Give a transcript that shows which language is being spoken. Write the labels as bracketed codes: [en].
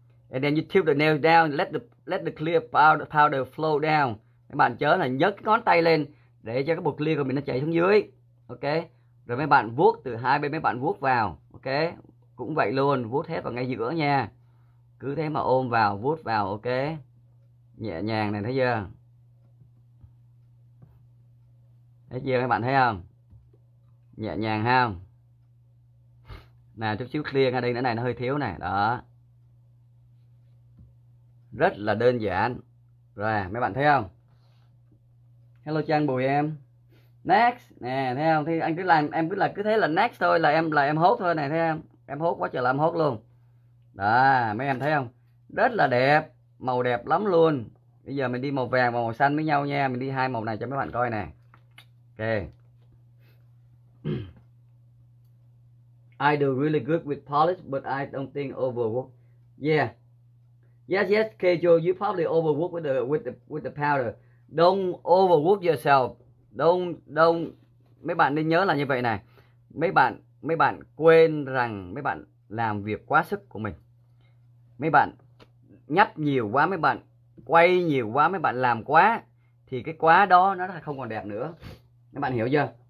[en] And then you tip the nail down, let the clear powder flow down. [vi] Mấy bạn chớ là nhấc cái ngón tay lên để cho cái bột clear của mình nó chảy xuống dưới. Ok. Rồi mấy bạn vuốt từ hai bên, mấy bạn vuốt vào. Ok. Cũng vậy luôn, vuốt hết vào ngay giữa nha. Cứ thế mà ôm vào, vuốt vào, ok. Nhẹ nhàng này, thấy chưa? Thấy chưa mấy bạn thấy không? Nhẹ nhàng không? Nào, chút xíu clear ở đây nữa này, nó hơi thiếu này, đó. Rất là đơn giản. Rồi, mấy bạn thấy không? Hello Trang Bùi em. Next nè, thấy không? Thì anh cứ làm, em cứ là cứ thế là next thôi, là em hốt thôi này, thấy không? Em hốt quá trời làm hốt luôn. Đó, mấy em thấy không? Rất là đẹp, màu đẹp lắm luôn. Bây giờ mình đi màu vàng và màu xanh với nhau nha, mình đi hai màu này cho mấy bạn coi nè. Ok. [en] I do really good with polish, but I don't think overwork. Yeah. Yes, Kejo, you probably overwork with the powder. Don't overwork yourself. Don't. [vi] Mấy bạn nên nhớ là như vậy này. Mấy bạn quên rằng mấy bạn làm việc quá sức của mình. Mấy bạn nhấp nhiều quá, mấy bạn quay nhiều quá, mấy bạn làm quá thì cái quá đó nó không còn đẹp nữa. Mấy bạn hiểu chưa?